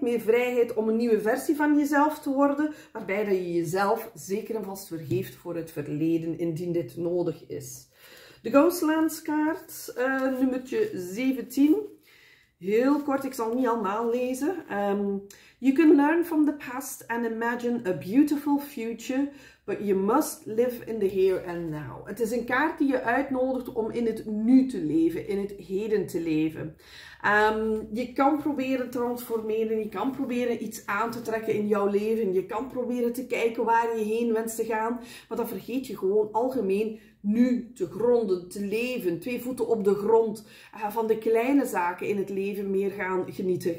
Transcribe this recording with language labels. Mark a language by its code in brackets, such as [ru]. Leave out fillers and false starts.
[nl] Meer vrijheid om een nieuwe versie van jezelf te worden. Waarbij dat je jezelf zeker en vast vergeeft voor het verleden, indien dit nodig is. De Ghostlands kaart, nummertje 17. Heel kort, ik zal niet allemaal lezen. [en] You can learn from the past and imagine a beautiful future, but you must live in the here and now. [nl] Het is een kaart die je uitnodigt om in het nu te leven, in het heden te leven. Je kan proberen te transformeren, je kan proberen iets aan te trekken in jouw leven. Je kan proberen te kijken waar je heen wenst te gaan, maar dan vergeet je gewoon algemeen nu te gronden, te leven, twee voeten op de grond, van de kleine zaken in het leven meer gaan genieten.